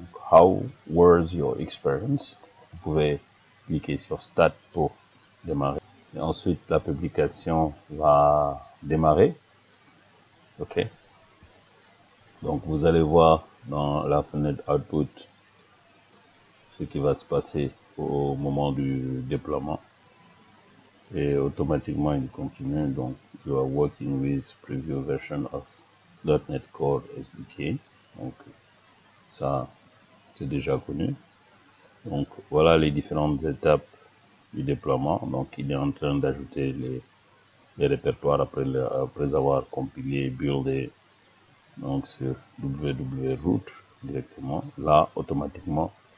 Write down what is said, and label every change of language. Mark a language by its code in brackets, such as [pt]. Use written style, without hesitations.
[en] How was your experience? [fr] Vous pouvez cliquer sur Start pour démarrer. Et ensuite, la publication va démarrer. OK. Donc vous allez voir dans la fenêtre Output ce qui va se passer au moment du déploiement. Et automatiquement, il continue. [en] Donc, you are working with preview version of .NET Core SDK. [fr] Donc, ça, c'est déjà connu. Donc, voilà les différentes étapes du déploiement. Donc, il est en train d'ajouter les répertoires après avoir compilé et buildé donc sur wwwroot directement. Là, automatiquement,